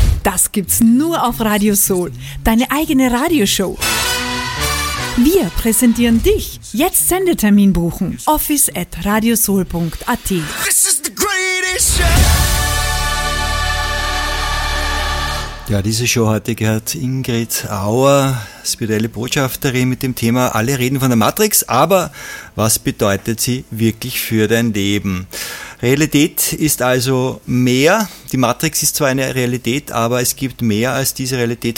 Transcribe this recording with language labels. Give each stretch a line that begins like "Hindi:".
German: Das gibt's nur auf Radio Soul. Deine eigene Radioshow. Wir präsentieren dich. Jetzt Sendetermin buchen. office@radiosoul.at.
English: This is the greatest show.
German: Ja, diese Show heute gehört Ingrid Auer, spirituelle Botschafterin mit dem Thema Alle reden von der Matrix, aber was bedeutet sie wirklich für dein Leben? Realität ist also mehr. Die Matrix ist zwar eine Realität, aber es gibt mehr als diese Realität.